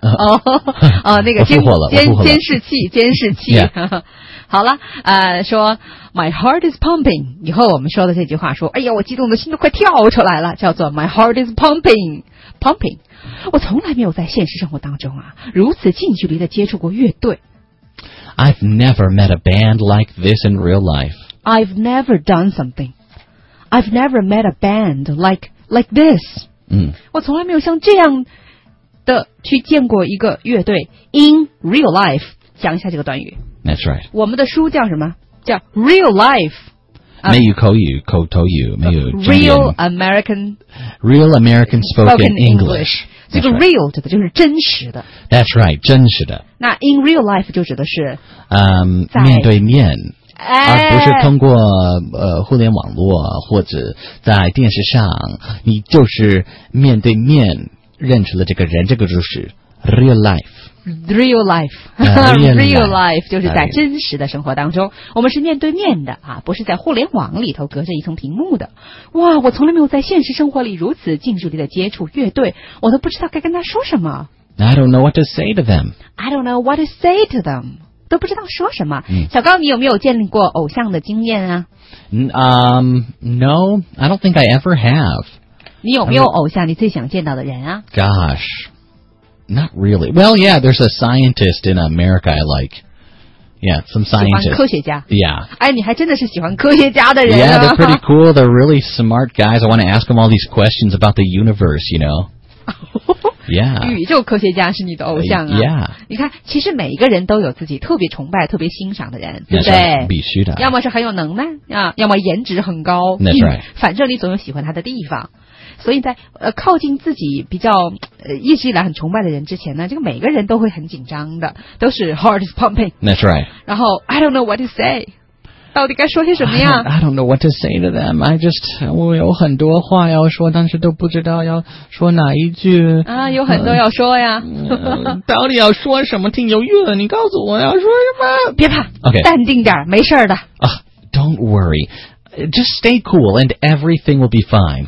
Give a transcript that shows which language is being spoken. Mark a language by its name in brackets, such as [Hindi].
[Chinese] 哦哦，那个监视器，监视器。 [English] Yeah. [Chinese] 好了，说 [English] My heart is pumping。 [Chinese] 以后我们说的这句话，说，哎呀，我激动的心都快跳出来了，叫做 My heart is pumping， pumping。我从来没有在现实生活当中啊，如此近距离的接触过乐队。 [English] I've never met a band like this in real life. I've never done something. I've never met a band like this. 嗯， [Chinese] 我从来没有像这样的去见过一个乐队 [English] in real life [Chinese] 讲一下这个短语 [English] That's right [Chinese] 我们的书叫什么叫 real life 没有口语口头语没有 [English] Real American spoken English [Chinese] 这个 real 指的就是真实的 [English] That's right [Chinese] 真实的那 in real life 就指的是、面对面而不是通过互联网络或者在电视上，你就是面对面认识了这个人，这个就是 real life。 [English] real life， real [Chinese] life 就是在真实的生活当中，我们是面对面的啊，不是在互联网里头隔着一层屏幕的。哇，我从来没有在现实生活里如此近距离的接触乐队，我都不知道该跟他说什么。 [English] I don't know what to say to them. I don't know what to say to them. [Chinese] 都不知道说什么。小高，你有没有见过偶像的经验啊？ [English] No, I don't think I ever have. [Chinese] 你有没有偶像？你最想见到的人啊 [English] ？Gosh, not really. Well, yeah, there's a scientist in America I like. Yeah, some scientist. [Chinese] 喜欢科学家。 [English] Yeah. [Chinese] 哎，你还真的是喜欢科学家的人啊。 [English] Yeah, they're pretty cool. They're really smart guys. I want to ask them all these questions about the universe, you know. Yeah. [Chinese] 宇宙科学家是你的偶像啊。 [English] Yeah. [Chinese] 你看其实每一个人都有自己特别崇拜特别欣赏的人。 [English] That's、 [Chinese] 对。 Right, 必须的。要么是很有能耐啊要么颜值很高。 [English] That's right. [Chinese] 反正你总有喜欢他的地方。所以在靠近自己比较一直以来很崇拜的人之前呢这个每个人都会很紧张的。都是 [English] heart is pumping. That's right. [Chinese] 然后 [English] I don't know what to say. [Chinese] 到底该说些什么呀 [English] I don't know what to say to them. I just, [Chinese] 我有很多话要说但是都不知道要说哪一句。啊有很多要说呀。到底要说什么挺犹豫的你告诉我要说什么。别怕 [English] okay, [Chinese] 淡定点没事的。 [English] Don't worry. Just stay cool and everything will be fine.